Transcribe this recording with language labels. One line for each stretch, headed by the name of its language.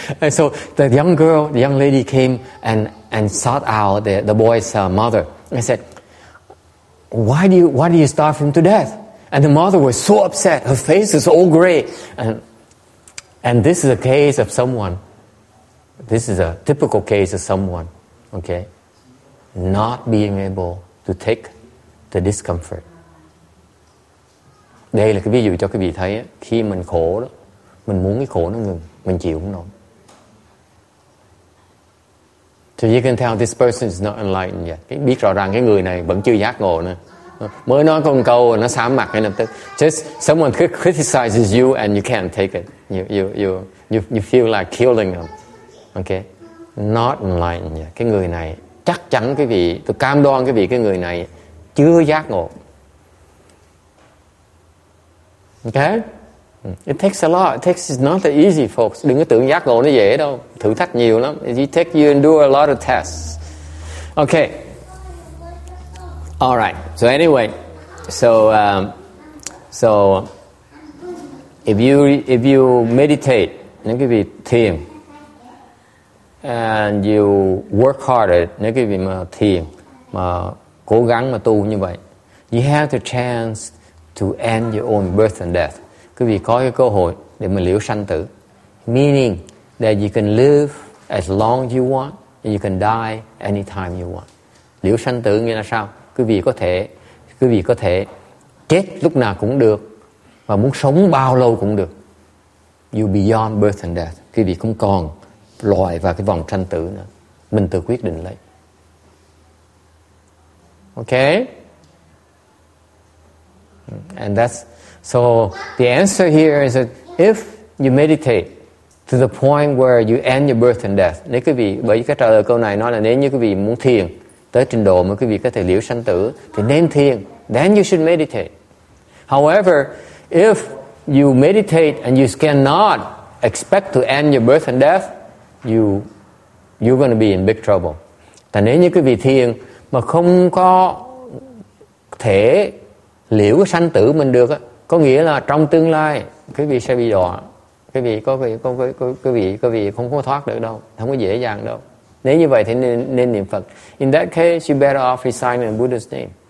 English: So the young lady came and sought out the boy's mother and said, why do you starve him to death? And the mother was so upset, her face is all gray, and this is a case of someone, this is a typical case of someone, okay, not being able to take the discomfort.
Vietnamese: Đây là cái ví dụ cho quý vị thấy á, khi mình khổ đó, mình muốn cái khổ nó ngừng, mình chịu không nổi.
English: So you can tell this person is not enlightened yet.
Vietnamese: Biết rõ ràng cái người này vẫn chưa giác ngộ nữa. Mới nói con câu nó xám mặt ngay lập tức.
English: Just someone criticizes you and you can't take it. You feel like killing them. Okay? Not enlightened yet.
Vietnamese: Cái người này chắc chắn quý vị, tôi cam đoan quý vị, cái người này chưa giác ngộ.
English: Okay? It takes a lot. It's not that easy, folks.
Vietnamese: Đừng có tưởng giác ngộ nó dễ đâu. Thử thách nhiều lắm.
English: You endure a lot of tests. Okay. All right. So anyway, so if you meditate,
Vietnamese: nếu quý vị thiền,
English: and you work harder,
Vietnamese: nếu quý vị mà thiền, mà cố gắng mà tu như vậy,
English: you have the chance to end your own birth and death.
Vietnamese: Quý vị có cái cơ hội để mà liễu sanh tử.
English: Meaning that you can live as long as you want and you can die anytime you want.
Vietnamese: Liễu sanh tử nghĩa là sao? Quý vị có thể chết lúc nào cũng được và muốn sống bao lâu cũng được.
English: You beyond birth and death.
Vietnamese: Quý vị không còn loài và cái vòng sanh tử nữa. Mình tự quyết định lấy.
English: Okay? And that's, so the answer here is that if you meditate to the point where you end your birth and death,
Vietnamese: nếu quý vị, bởi vì cái trả lời câu này nói là nếu như quý vị muốn thiền tới trình độ mà quý vị có thể liễu sanh tử thì nên thiền,
English: then you should meditate. However, if you meditate and you cannot expect to end your birth and death, you're going to be in big trouble.
Vietnamese: Tại nếu như quý vị thiền mà không có thể liễu cái sanh tử mình được á, có nghĩa là trong tương lai quý vị sẽ bị đọa. Quý vị có quý vị không có thoát được đâu, không có dễ dàng đâu. Nếu như vậy thì nên niệm Phật.
English: In that case, you better off resigning in Buddha's name.